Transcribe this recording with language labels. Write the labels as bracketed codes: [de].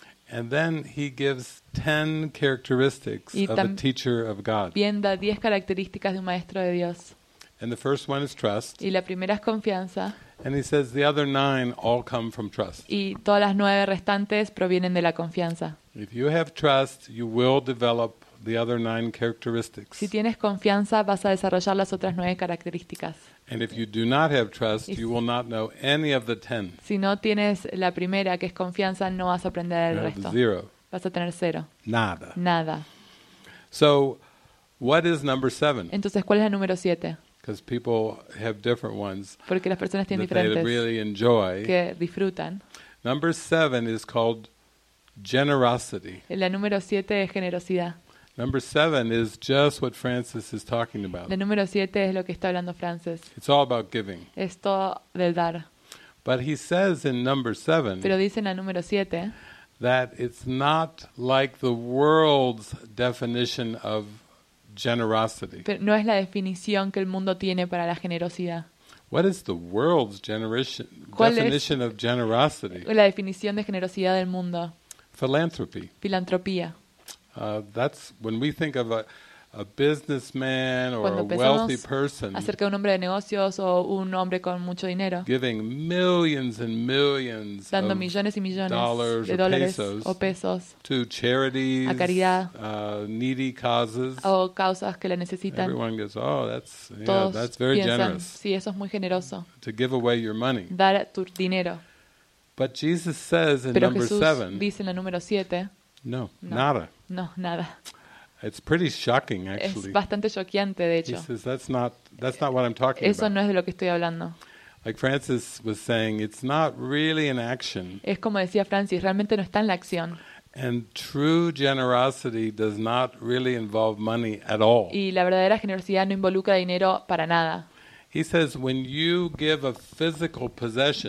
[en] And then he gives 10 characteristics of a teacher of God. [es] Bien da 10 características de un maestro de Dios. [en] And the first one is trust. [es] Y la primera es confianza. [en] And he says the other nine all come from trust. [es] Y todas las nueve restantes provienen de la confianza. [en] If you have trust, you will develop the other nine characteristics. [es] Si tienes confianza, vas a desarrollar las otras nueve características. [en] And if you do not have trust, you will not know any of the ten. [es] Si no tienes la primera, que es confianza, no vas a aprender el resto. [en] Zero. [es] Vas a tener cero. Nada. Nada. [en] So, what is number seven? [es] Entonces, ¿cuál es la número siete? [en] Because people have different ones. [es] Porque las personas tienen diferentes. [en] They really enjoy. [es] Que disfrutan. [en] Number seven is called generosity. [es] La número siete es generosidad. [en] Number seven is just what Francis is talking about. [es] La número siete es lo que está hablando Francis. [en] It's all about giving. [es] Es todo del dar. [en] But he says in number seven. [es] Pero dice en la número siete. [en] That it's not like the world's definition of generosity. [es] Pero no es la definición que el mundo tiene para la generosidad. [en] What is the world's definition of generosity? [es] La definición de generosidad del mundo. [en] Philanthropy. [es] Filantropía. [en] That's when we think of a businessman or a wealthy person. [es] Acerca de un hombre de negocios o un hombre con mucho dinero. [en] Giving millions and millions. [es] Dando millones y millones de dólares o pesos. [en] To charities. [es] A caridad. [en] Needy causes. [es] O causas que le necesitan. [en] Everyone goes, oh, that's very generous. [es] Sí, eso es muy generoso. [en] To give away your money. [es] Dar tu dinero. [en] But Jesus says in number seven. [es] Dice en la número siete. No, nada. No, nada. [en] It's pretty shocking, actually. [es] Es bastante choqueante, de hecho. [en] He says that's not what I'm talking [es] Eso no es de lo que estoy hablando. [en] Like Francis was saying, it's not really an action. [es] Es como decía Francis, realmente no está en la acción. [en] And true generosity does not really involve money at all. [es] Y la verdadera generosidad no involucra dinero para nada. [en] He says when you give a physical possession.